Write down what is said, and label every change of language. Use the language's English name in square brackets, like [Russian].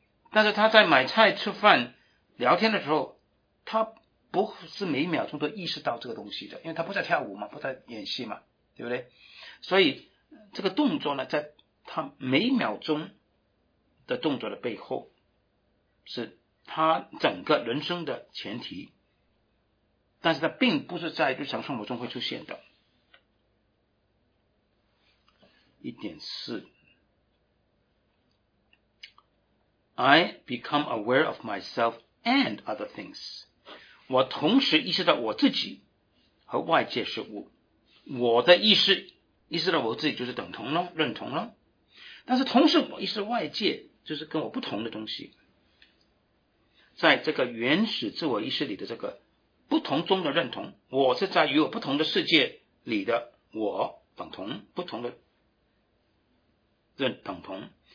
[Chinese] 但是他在买菜吃饭聊天的时候，他不是每秒钟都意识到这个东西的，因为他不在跳舞嘛，不在演戏嘛，对不对？所以这个动作呢，在他每秒钟的动作的背后是他整个人生的前提，但是它并不是在日常生活中会出现的。 [English] 1.4 I become aware of myself and other things. [Chinese] 我同时意识到我自己和外界事物。我的意识意识到我自己就是等同了，认同了。但是同时我意识到外界就是跟我不同的东西。在这个原始自我意识里的这个不同中的认同，我是在与我不同的世界里的我等同，不同的认等同。